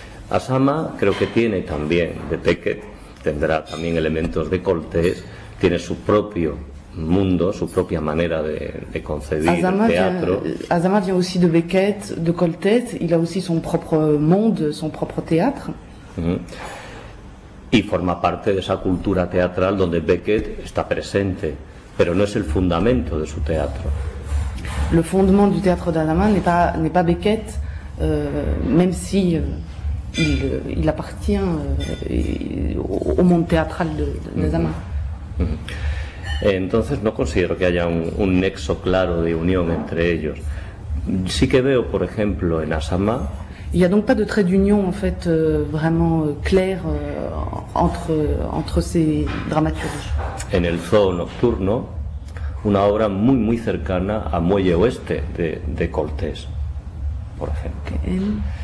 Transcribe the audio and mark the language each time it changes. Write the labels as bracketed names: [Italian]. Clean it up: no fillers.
[Spanish] Azama creo que tiene también de Beckett, tendrá también elementos de Coltés, tiene su propio mundo, su propia manera de concebir Azama el teatro. [French] Azama vient aussi de Beckett, de Coltés, il a aussi son propre monde, son propre théâtre. [Spanish] Y forma parte de esa cultura teatral donde Beckett está presente, pero no es el fundamento de su teatro. [French] Le fondement du théâtre d'Azama n'est pas Beckett, même si il appartient au monde théâtral d'Azama. [Spanish] Entonces no considero que haya un nexo claro de unión entre ellos. Sí que veo, por ejemplo, en Azama. [French] Il y a donc pas de trait d'union en fait vraiment clair entre ces dramaturges. [Spanish] En el zoo nocturno, una obra muy muy cercana a Muelle Oeste de Coltés, por ejemplo.